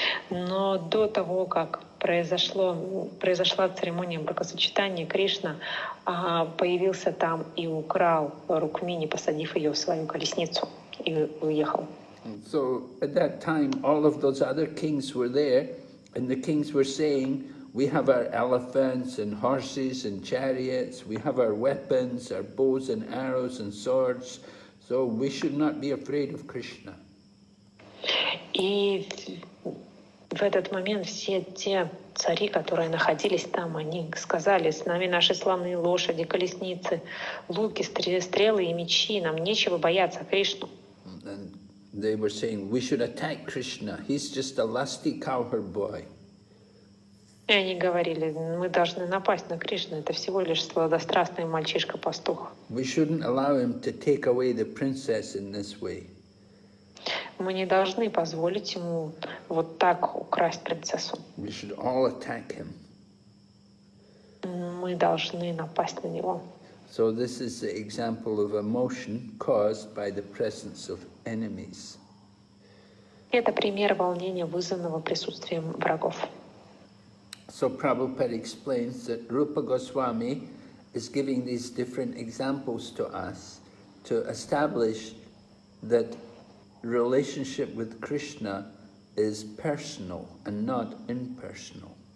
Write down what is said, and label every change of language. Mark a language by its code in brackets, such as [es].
[ru] Но до того, как произошла церемония бракосочетания, Кришна появился там и украл Рукмини, посадив ее в свою колесницу и уехал. [en] So at that time, all of those other kings were there, and the kings were saying, we have our elephants and horses and chariots, we have our weapons, our bows and arrows and swords, so we should not be afraid of Krishna. [ru] И в этот момент все те цари, которые находились там, они сказали, с нами наши славные лошади, колесницы, луки, стрелы и мечи, нам нечего бояться Кришну. [en] And they were saying, we should attack Krishna, he's just a lusty cowherd boy. [ru] И они говорили, мы должны напасть на Кришну, это всего лишь сладострастный мальчишка-пастух. [en] We shouldn't allow him to take away the princess in this way. [ru] Мы не должны позволить ему вот так украсть принцессу. [en] We should all attack him. [ru] Мы должны напасть на него. [en] So this is the example of emotion caused by the presence of enemies. [ru] Это пример волнения, вызванного присутствием врагов. [en] So Prabhupada explains that Rupa Goswami is giving these different examples to us to establish that relationship with Krishna is personal and not impersonal.